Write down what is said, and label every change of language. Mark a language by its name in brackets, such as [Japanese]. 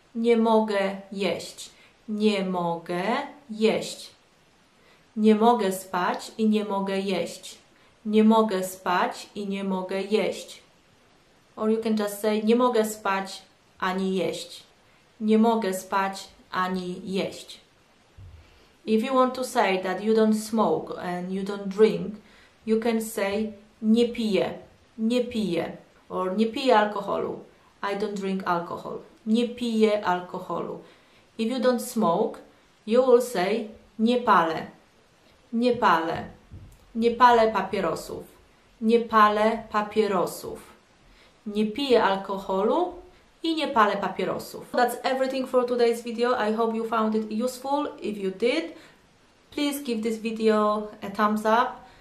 [Polish] Nie mogę jeść. Nie mogę jeść. Nie mogę spać i nie mogę jeść. Nie mogę spać i nie mogę jeść. [English] Or you can just say [Polish] nie mogę spać ani jeść. Nie mogę spać ani jeść. [English] If you want to say that you don't smoke and you don't drink, you can say [Polish] nie piję. Nie piję. Or nie piję alkoholu. [English] I don't drink alcohol. [Polish] Nie piję alkoholu. [English] If you don't smoke, you will say [Polish] nie palę. Nie palę. Nie palę papierosów. Nie palę papierosów. Nie piję alkoholu i nie palę papierosów. [English] That's everything for today's video. I hope you found it useful. If you did, please give this video a thumbs up.